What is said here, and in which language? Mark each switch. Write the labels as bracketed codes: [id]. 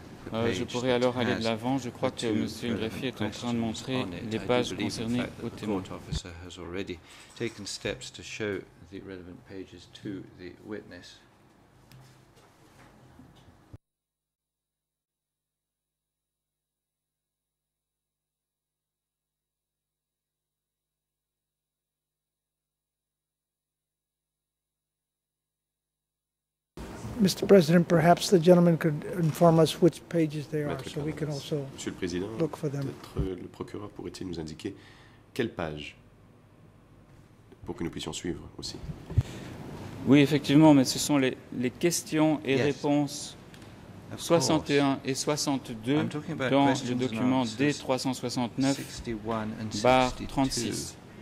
[fr] Je pourrais alors aller de l'avant. Je crois que M. Greffier est en train de montrer les pages concernées au témoin. [en] The court officer has already taken steps to show the relevant pages to the witness. Mr. President, perhaps the gentleman could inform us which pages they are, so we can also look for them. [fr] Peut-être le procureur pourrait-il nous indiquer quelle page pour que nous puissions suivre aussi. Oui, effectivement, mais ce sont les questions et réponses 61 et 62 dans le document D-369-36.